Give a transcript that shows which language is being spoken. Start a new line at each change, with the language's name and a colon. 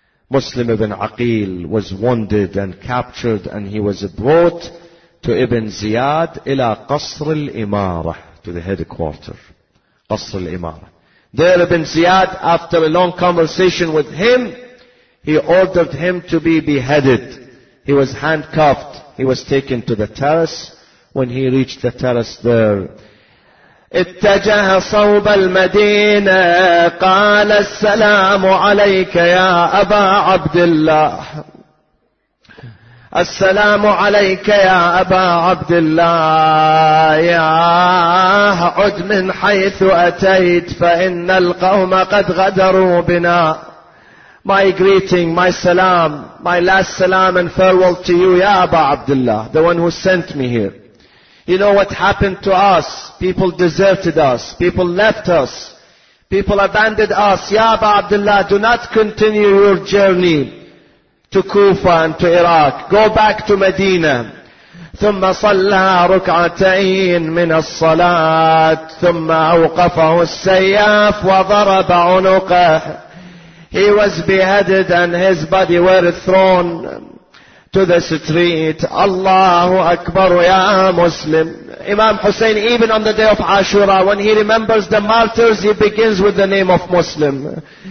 English: Muslim ibn Aqil was wounded and captured, and he was brought to Ibn Ziyad ila Qasr al-Imara, to the headquarter, Qasr al-Imara. There Ibn Ziyad, after a long conversation with him, he ordered him to be beheaded. He was handcuffed. He was taken to the terrace. When he reached the terrace there,
Arabic: اتجه صوب المدينة قال السلام عليك يا أبا عبد الله، السلام عليك يا أبا عبد الله، يا عد من حيث أتيت فإن القوم قد غدروا بنا.
English: My greeting, my salam, my last salam and farewell to you, ya Aba Abdullah, the one who sent me here. You know what happened to us? People deserted us. People left us. People abandoned us. Ya Aba Abdullah, do not continue your journey to Kufa and to Iraq. Go back to Medina.
Arabic: ثم صلى ركعتين من الصلاة ثم أوقفه السياف وضرب عنقه.
English: He was beheaded and his body were thrown to the street.
Arabic: Allahu Akbar ya Muslim.
English: Imam Hussein, even on the day of Ashura, when he remembers the martyrs, he begins with the name of Muslim.